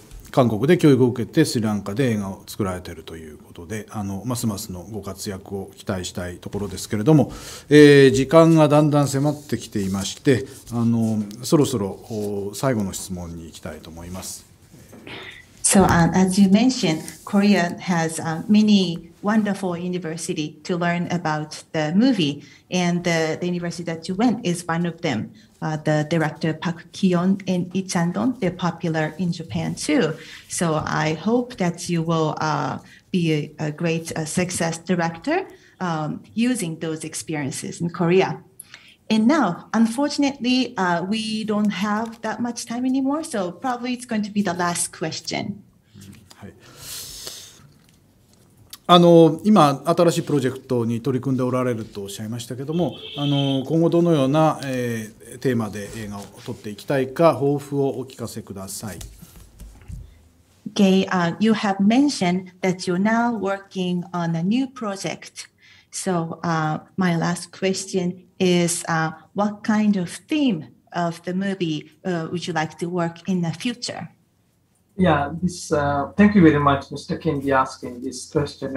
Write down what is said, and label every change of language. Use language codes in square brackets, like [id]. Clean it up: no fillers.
[ja] 韓国で教育を受けてスリランカで映画を作られているということで、ますますのご活躍を期待したいところですけれども、時間がだんだん迫ってきていまして、そろそろ最後の質問に行きたいと思います。 [en] So, as you mentioned, Korea has many wonderful university to learn about the movie, and the university that you went is one of themthe director Park Ki-yeon and Lee Chang-dong, they're popular in Japan too. So I hope that you will be a great success director using those experiences in Korea. And now, unfortunately, we don't have that much time anymore, so probably it's going to be the last question. [ja] あの今新しいプロジェクトに取り組んでおられるとおっしゃいましたけども、あの今後どのような、テーマで映画を撮っていきたいか抱負をお聞かせください。 [en] Okay, you have mentioned that you're now working on a new project. So, my last question is, what kind of theme of the movie, would you like to work in the future? Yeah, this, thank you very much, Mr. Kendi, asking this question.